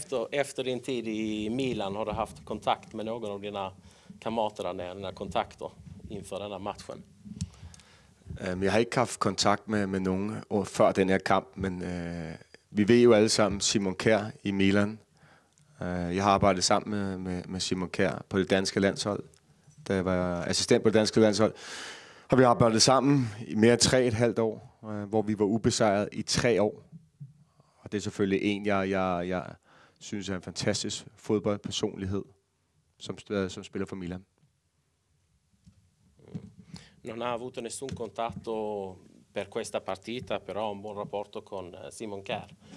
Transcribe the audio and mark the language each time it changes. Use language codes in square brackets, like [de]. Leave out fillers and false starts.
[sv] Efter din tid i Milan har du haft kontakt med någon av dina kamrater där nere, dina kontakter inför den här matchen? [da] Jeg har ikke haft kontakt med nogen før den her kamp, men vi ved jo alle sammen Simon Kjær i Milan. Jeg har arbejdet sammen med Simon Kjær på det danske landshold. Da jeg var assistent på det danske landshold, har vi arbejdet sammen i mere end 3,5 år, hvor vi var ubesejret i 3 år. Og det er selvfølgelig en, jeg synes er en fantastisk fodboldpersonlighed, som spiller for Milan. [it] Non ha avuto nessun contatto per questa partita, però un buon rapporto con Simon Kjær.